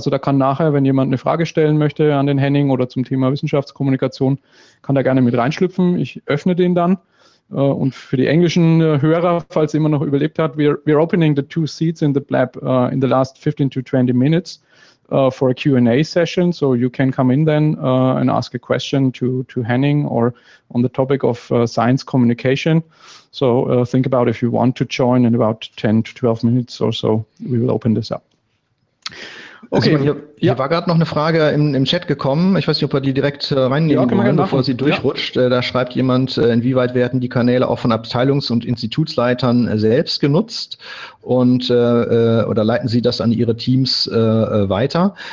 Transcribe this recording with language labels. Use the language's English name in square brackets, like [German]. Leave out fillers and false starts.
[German] Also da kann nachher, wenn jemand eine Frage stellen möchte an den Henning oder zum Thema Wissenschaftskommunikation, kann da gerne mit reinschlüpfen. Ich öffne den dann. Und für die englischen Hörer, falls ihr immer noch überlebt habt, [English] we're opening the two seats in the Blab in the last 15 to 20 minutes for a Q&A session. So you can come in then and ask a question to Henning or on the topic of science communication. So think about if you want to join in about 10 to 12 minutes or so, we will open this up. [German] Okay, also hier war gerade noch eine Frage im Chat gekommen. Ich weiß nicht, ob wir die direkt reinnehmen wollen, bevor sie durchrutscht. Ja. Da schreibt jemand, inwieweit werden die Kanäle auch von Abteilungs- und Institutsleitern selbst genutzt und oder leiten sie das an ihre Teams weiter?